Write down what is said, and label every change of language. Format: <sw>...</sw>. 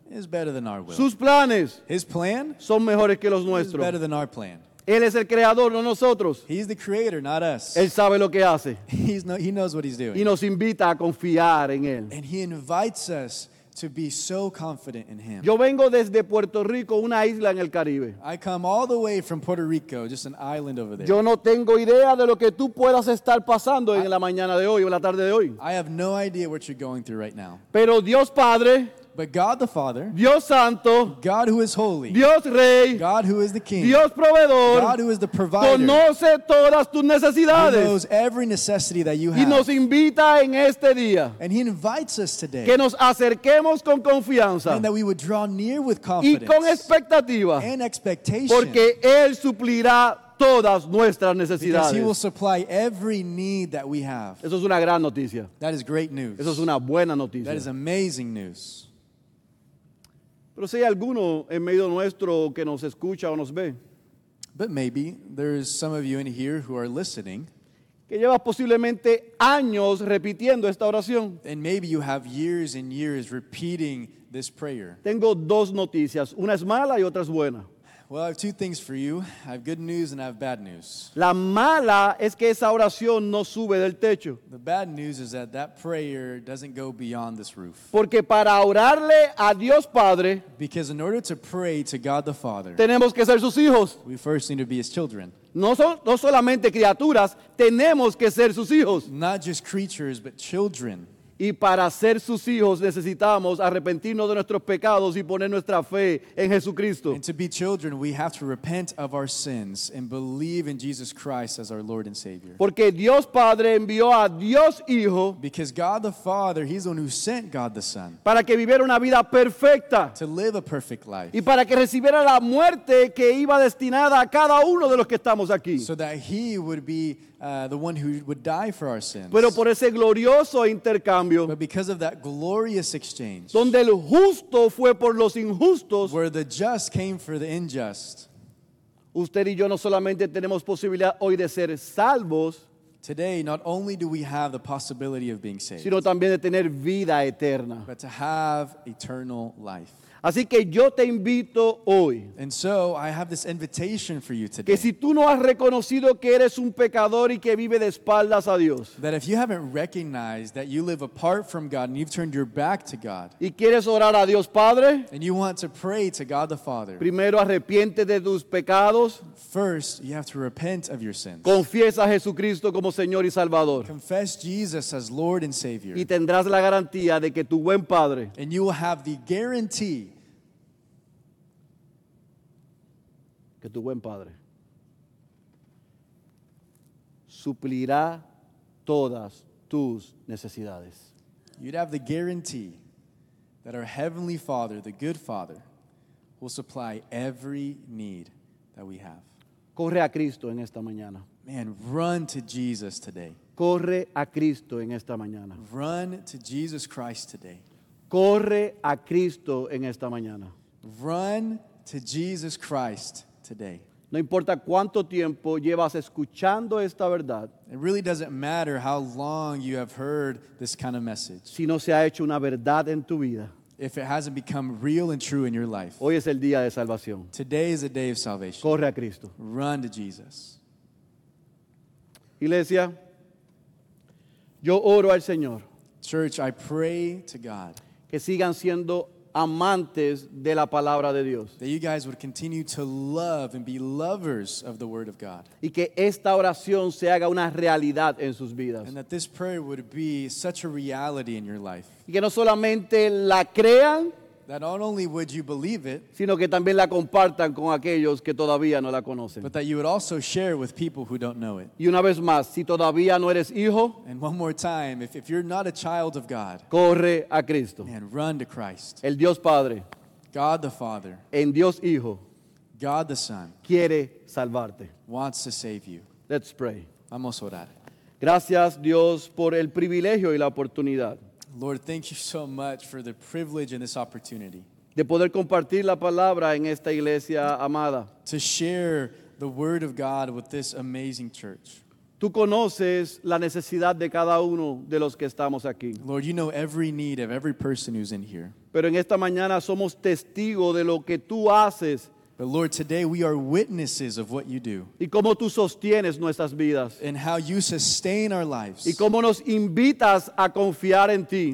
<en>Is better than our will.</en> <es>Sus planes,</es> <en>his plan,</en> <es>son mejores que los nuestros.</es> <en>Is better than our plan.</en> <es>Él es el creador, no nosotros.</es> <en>He is the creator, not us.</en> <es>Él sabe lo que hace.</es> <en>He knows what he's doing.</en> <es>Y nos invita a confiar en él.</es> <en>And he invites us to be so confident in him.</en> <es>Yo vengo desde Puerto Rico, una isla en el Caribe.</es> <en>I come all the way from Puerto Rico, just an island over there.</en> <es>Yo no tengo idea de lo que tú puedas estar pasando en la mañana de hoy o la tarde de hoy.</es> <en>I have no idea what you're going through right now.</en> <es>Pero Dios Padre,</es> <en>but God the Father,</en> <es>Dios Santo,</es> <en>God who is holy,</en> <es>Dios Rey,</es> <en>God who is the King,</en> <es>Dios Proveedor,</es> <en>God who is the Provider,</en> <es>conoce todas tus necesidades.</es> <en>He knows every necessity that you have.</en> <es>Y nos invita en este día.</es> <en>And he invites us today.</en> <es>Que nos acerquemos con confianza.</es> <en>And that we would draw near with confidence.</en> <es>Y con expectativa.</es> <en>And expectation.</en> <es>Porque él suplirá todas nuestras necesidades.</es> <en>Because he will supply every need that we have.</en> <es>Eso es una gran noticia.</es> <en>That is great news.</en> <es>Eso es una buena noticia.</es> <en>That is amazing news.</en> <es>Pero si hay alguno en medio nuestro que nos escucha o nos ve.</es> <en>But maybe there is some of you in here who are listening.</en> <es>Que lleva posiblemente años repitiendo esta oración.</es> <en>And maybe you have years and years repeating this prayer.</en> <es>Tengo dos noticias. Una es mala y otra es buena.</es> <en>Well, I have two things for you. I have good news and I have bad news.</en> <es>La mala es que esa oración no sube del techo.</es> <en>The bad news is that that prayer doesn't go beyond this roof.</en> <es>Porque para orarle a Dios Padre,</es> <en>because in order to pray to God the Father,</en> <es>tenemos que ser sus hijos.</es> <en>We first need to be his children.</en> <es>No solamente criaturas, tenemos que ser sus hijos.</es> <en>Not just creatures, but children.</en> <es>Y para ser sus hijos necesitamos arrepentirnos de nuestros pecados y poner nuestra fe en Jesucristo.</es> <en>And to be children, we have to repent of our sins and believe in Jesus Christ as our Lord and Savior.</en> <es>Porque Dios Padre envió a Dios Hijo.</es> <en>Because God the Father, he's the one who sent God the Son.</en> <es>Para que viviera una vida perfecta.</es> <en>To live a perfect life.</en> <es>Y para que recibiera la muerte que iba destinada a cada uno de los que estamos aquí.</es> <en>So that he would be the one who would die for our sins.</en> <es>Pero por ese glorioso intercambio,</es> <en>but because of that glorious exchange,</en> <es>donde el justo fue por los injustos,</es> <en>where the just came for the unjust,</en> <es>usted y yo no solamente tenemos posibilidad hoy de ser salvos,</es> <en>today not only do we have the possibility of being saved,</en> <es>sino también de tener vida eterna,</es> <en>but to have eternal life.</en> <es>Así que yo te invito hoy.</es> <en>And so I have this invitation for you today.</en> <es>Que si tú no has reconocido que eres un pecador y que vive de espaldas a Dios.</es> <en>That if you haven't recognized that you live apart from God and you've turned your back to God.</en> <es>Y quieres orar a Dios Padre.</es> <en>And you want to pray to God the Father.</en> <es>Primero arrepiente de tus pecados.</es> <en>First, you have to repent of your sins.</en> <es>Confiesa a Jesucristo como Señor y Salvador.</es> <en>Confess Jesus as Lord and Savior.</en> <es>Y tendrás la garantía de que tu buen Padre.</es> <en>And you will have the guarantee</en> <es>que tu buen padre suplirá todas tus necesidades.</es> <en>You'd have the guarantee that our Heavenly Father, the good Father, will supply every need that we have.</en> <es>Corre a Cristo en esta mañana.</es> <en>Man, run to Jesus today.</en> <es>Corre a Cristo en esta mañana.</es> <en>Run to Jesus Christ today.</en> <es>Corre a Cristo en esta mañana.</es> <en>Run to Jesus Christ today.</en> <es>No importa cuánto tiempo llevas escuchando esta verdad.</es> <en>It really doesn't matter how long you have heard this kind of message.</en> <es>Si no se ha hecho una verdad en tu vida.</es> <en>If it hasn't become real and true in your life.</en> <es>Hoy es el día de salvación.</es> <en>Today is the day of salvation.</en> <es>Corre a Cristo.</es> <en>Run to Jesus.</en> <es>Iglesia, yo oro al Señor.</es> <en>Church, I pray to God.</en> <es>Que sigan siendo amantes de la palabra de Dios.</es> <en>That you guys would continue to love and be lovers of the word of God.</en> <es>Y que esta oración se haga una realidad en sus vidas.</es> <en>And that this prayer would be such a reality in your life.</en> <es>Y que no solamente la crean,</es> <en>that not only would you believe it,</en> <es>sino que también la compartan con aquellos que todavía no la conocen.</es> <en>But that you would also share with people who don't know it.</en> <es>Y una vez más, si todavía no eres hijo,</es> <en>and one more time, if you're not a child of God,</en> <es>corre a Cristo.</es> <en>And run to Christ.</en> <es>El Dios Padre,</es> <en>God the Father,</en> <es>en Dios Hijo,</es> <en>God the Son,</en> <es>quiere salvarte.</es> <en>Wants to save you. Let's pray.</en> <es>Vamos a orar. Gracias Dios por el privilegio y la oportunidad.</es> <en>Lord, thank you so much for the privilege and this opportunity.</en> <es>De poder compartir la palabra en esta iglesia amada.</es> <en>To share the word of God with this amazing church.</en> <es>Tú conoces la necesidad de cada uno de los que estamos aquí.</es> <en>Lord, you know every need of every person who's in here.</en> <es>Pero en esta mañana somos testigo de lo que tú haces.</es> <en>But Lord, today we are witnesses of what you do.</en> <es>Y cómo tú sostienes nuestras vidas.</es> <en>And how you sustain our lives.</en> <es>Y cómo nos invitas a confiar en ti.</es>